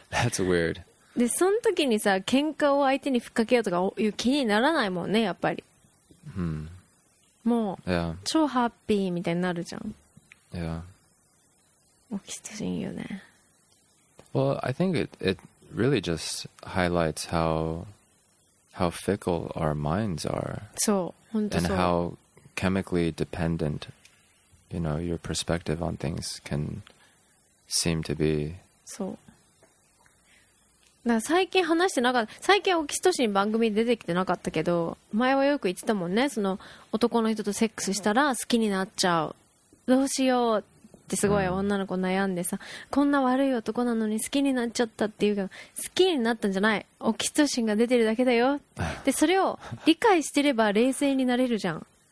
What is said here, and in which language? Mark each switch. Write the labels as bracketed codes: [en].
[en] That's weird. [ja] でその時にさ、喧嘩を相手に吹っかけようとかいう気にならないもんね、やっぱり。 Hmm. もう、 [en] yeah. [ja] 超ハッピーみたいになるじゃん。 [en] Yeah. [ja] オキシトシンよね。 [en] Well, I think it really just highlights how fickle our minds are. [ja] そう。 [en] And how chemically dependent, you know, your perspective on things can seem to be. [ja] そう。だから最近話してなかった、最近オキシトシン番組に出てきてなかったけど、前はよく言ってたもんね、その男の人とセックスしたら好きになっちゃう、どうしようってすごい女の子悩んでさ、こんな悪い男なのに好きになっちゃったっていうか、好きになったんじゃない、オキシトシンが出てるだけだよで、それを理解してれば冷静になれるじゃん。